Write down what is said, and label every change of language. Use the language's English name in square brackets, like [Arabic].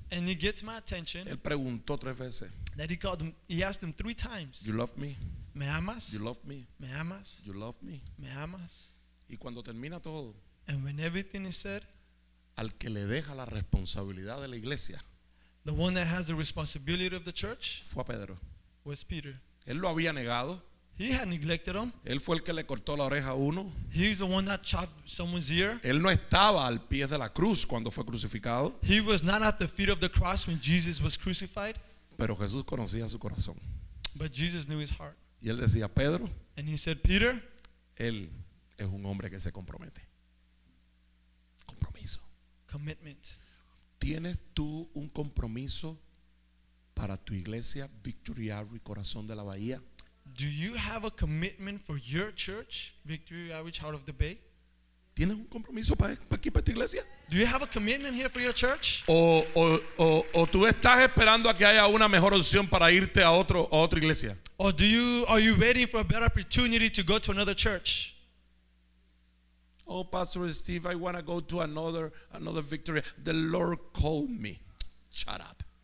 [English] And he gets my attention. [Spanish] Él preguntó tres veces. [English] That he asked him three times. You love me? [Spanish] Me amas? [English] You love me? [Spanish] Me amas? [English] You love me? [Spanish] Me amas? Y cuando termina todo. [English] And when everything is said. [Spanish] Al que le deja la responsabilidad de la iglesia. [English] The one that has the responsibility of the church. [Spanish] Fue a Pedro. [English] Was Peter. [Spanish] Él lo había negado. [English] He had neglected him. [Spanish] Él fue el que le cortó la oreja a uno. [English] He was the one that chopped someone's ear. [Spanish] Él no estaba al pie de la cruz cuando fue crucificado. [English] He was not at the feet of the cross when Jesus was crucified. [Spanish] Pero Jesús conocía su corazón. [English] But Jesus knew his heart. [Spanish] Y él decía, Pedro. [English] And he said, Peter. [Spanish] Él es un hombre que se compromete. Compromiso. [English] Commitment. [Spanish] ¿Tienes tú un compromiso para tu iglesia, Victory Outreach, Corazón de la Bahía? [English] Do you have a commitment for your church, Victory Outreach Heart of the Bay? [Spanish] ¿Tienes un compromiso para aquí, para esta iglesia? [English] Do you have a commitment here for your church? [Spanish] O tú estás esperando a que haya una mejor opción para irte a otra iglesia? [English] Or are you waiting for a better opportunity to go to another church? Oh, Pastor Steve, I want to go to another Victory. The Lord called me. Shut up.